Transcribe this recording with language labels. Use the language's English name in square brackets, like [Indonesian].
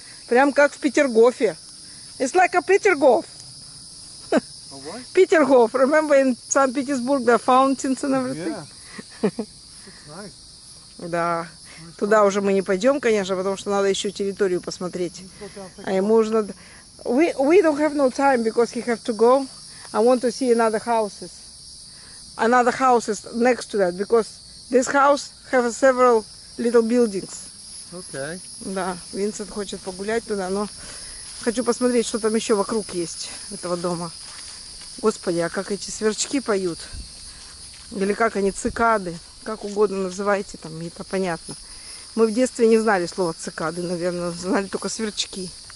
[Russian] Прям как в Петергофе. [English] It's like a Petergof. A what? Petergof. Remember in St. Petersburg the fountains and everything? Yeah. It's nice. [Russian] Да. Туда уже мы не пойдем, конечно, потому что надо еще территорию посмотреть. А ему нужно... [English] We don't have no time, because he have to go. I want to see another houses next to that, because this house have several little buildings. Okay. [Russian] Да, Винсент хочет погулять туда, но хочу посмотреть, что там еще вокруг есть этого дома. Господи, а как эти сверчки поют? Или как они, цикады? Как угодно называйте, там, это понятно. Мы в детстве не знали слова цикады, наверное, знали только сверчки.